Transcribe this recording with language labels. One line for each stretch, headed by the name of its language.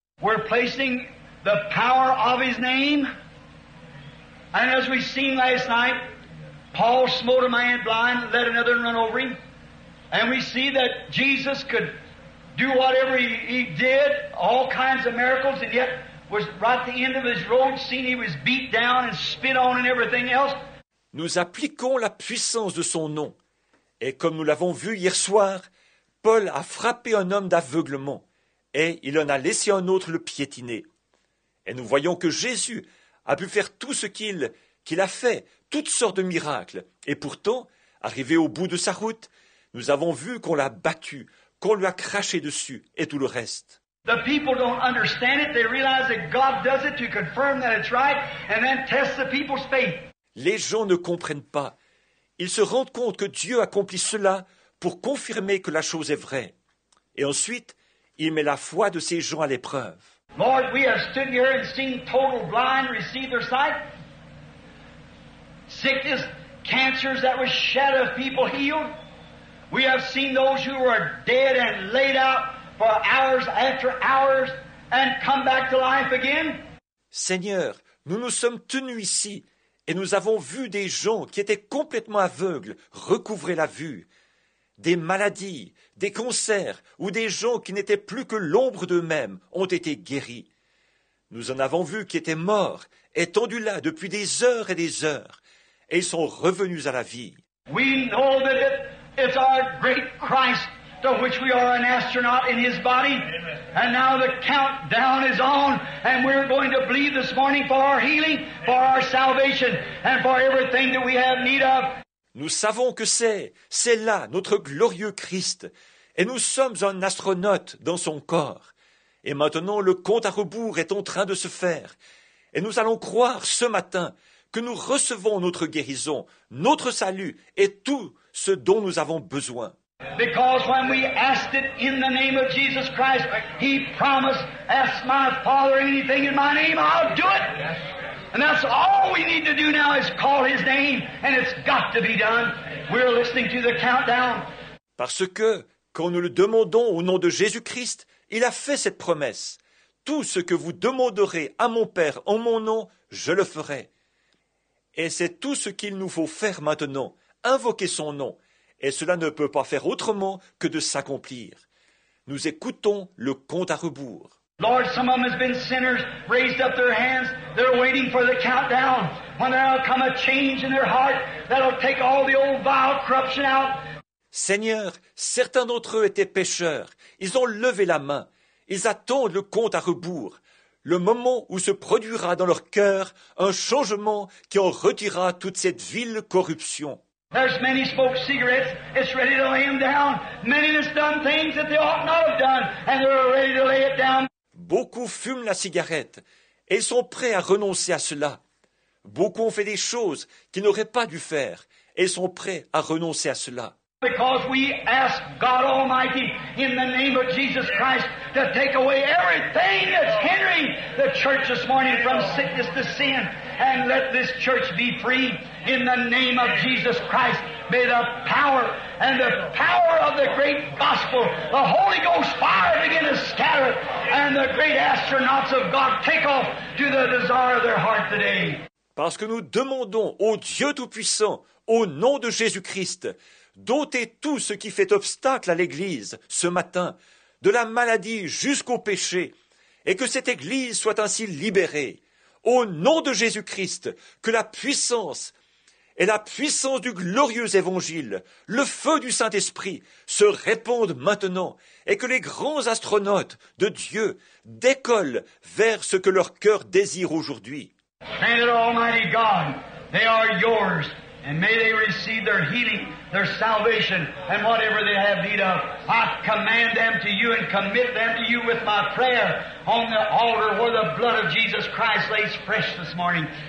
English: We're placing the power of his name. And as we seen last night, Paul smote a man blind, let another run over him. And we see that Jesus could do whatever he did, all kinds of miracles, and yet was right at the end of his road, seeing he was beat down and spit on and everything else.
French: Nous appliquons la puissance de son nom. Et comme nous l'avons vu hier soir, Paul a frappé un homme d'aveuglement et il en a laissé un autre le piétiner. Et nous voyons que Jésus a pu faire tout ce qu'il a fait, toutes sortes de miracles. Et pourtant, arrivé au bout de sa route, nous avons vu qu'on l'a battu, qu'on lui a craché dessus et tout le reste.
English: The people don't understand it. They realize that God does it to confirm that it's right and then test the people's faith.
French: Les gens ne comprennent pas. Ils se rendent compte que Dieu accomplit cela pour confirmer que la chose est vraie. Et ensuite, il met la foi de ces gens à l'épreuve.
English: Lord, we have stood here and seen total blind receive their sight. Sickness, cancers that were shadow of people healed. We have seen those who were dead and laid out for hours after hours and come back to life again.
French: Seigneur, nous nous sommes tenus ici et nous avons vu des gens qui étaient complètement aveugles recouvrer la vue, des maladies, des cancers ou des gens qui n'étaient plus que l'ombre d'eux-mêmes ont été guéris. Nous en avons vu qui étaient morts, étendus là depuis des heures et des heures, et ils sont revenus à la vie.
English: We know that it's our great Christ to which we are an astronaut in his body. And now the countdown is on and we're going to believe this morning for our healing, for our salvation and for everything that we have need of.
French: Nous savons que c'est là notre glorieux Christ et nous sommes un astronaute dans son corps. Et maintenant le compte à rebours est en train de se faire et nous allons croire ce matin que nous recevons notre guérison, notre salut et tout ce dont nous avons besoin.
English: Because when we asked it in the name of Jesus Christ, he promised, ask my Father anything in my name, I'll do it. And that's all we need to do now is call his name, and it's got to be done. We're listening to the countdown.
French: Parce que, quand nous le demandons au nom de Jésus-Christ, il a fait cette promesse. Tout ce que vous demanderez à mon Père en mon nom, je le ferai. Et c'est tout ce qu'il nous faut faire maintenant, invoquer son nom. Et cela ne peut pas faire autrement que de s'accomplir. Nous écoutons le compte à rebours.
English: Lord, some of them have been sinners, raised up their hands, they're waiting for the countdown. When there'll come a change in their heart, that'll take all the old vile corruption out.
French: Seigneur, certains d'entre eux étaient pécheurs. Ils ont levé la main. Ils attendent le compte à rebours. Le moment où se produira dans leur cœur un changement qui en retirera toute cette vile corruption.
English: There's many smoke cigarettes, it's ready to lay them down. Many have done things that they ought not have done, and they're ready to lay it down.
French: Beaucoup fument la cigarette, et ils sont prêts à renoncer à cela. Beaucoup ont fait des choses qu'ils n'auraient pas dû faire, et sont prêts à renoncer à cela.
English: Because we ask God Almighty in the name of Jesus Christ to take away everything that's hindering the church this morning from sickness to sin and let this church be free in the name of Jesus Christ. May the power and the power of the great gospel, the Holy Ghost fire begin to scatter and the great astronauts of God take off to the desire of their heart today.
French: Parce que nous demandons au Dieu Tout-Puissant, au nom de Jésus-Christ, d'ôter tout ce qui fait obstacle à l'Église ce matin, de la maladie jusqu'au péché, et que cette Église soit ainsi libérée. Au nom de Jésus-Christ, que la puissance et la puissance du glorieux Évangile, le feu du Saint-Esprit, se répandent maintenant, et que les grands astronautes de Dieu décollent vers ce que leur cœur désire aujourd'hui.
English: Granted, Almighty God, they are yours, and may they receive their healing, their salvation, and whatever they have need of. I command them to you and commit them to you with my prayer on the altar where the blood of Jesus Christ lays fresh this morning.